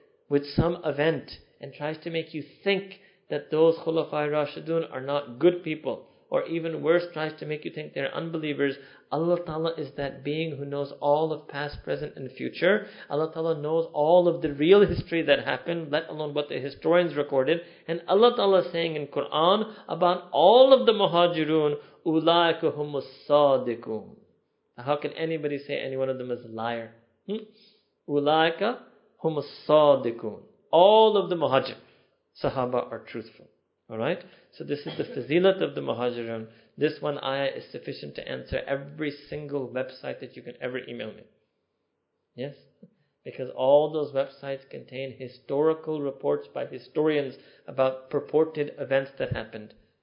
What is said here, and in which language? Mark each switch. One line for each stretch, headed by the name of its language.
English: with some event and tries to make you think that those Khulafai Rashidun are not good people, or even worse, tries to make you think they're unbelievers, Allah Ta'ala is that being who knows all of past, present and future. Allah Ta'ala knows all of the real history that happened, let alone what the historians recorded. And Allah Ta'ala is saying in Quran about all of the muhajirun,
Arabic: أُولَٰئِكَ هُمُ الصَّادِقُونَ.
English: How can anybody say any one of them is a liar?
Arabic: أُولَٰئِكَ هُمُ الصَّادِقُونَ.
English: All of the muhajir sahaba are truthful. Alright, so this is the fazilat of the muhajirun. This one ayah is sufficient to answer every single website that you can ever email me. Yes? Because all those websites contain historical reports by historians about purported events that happened.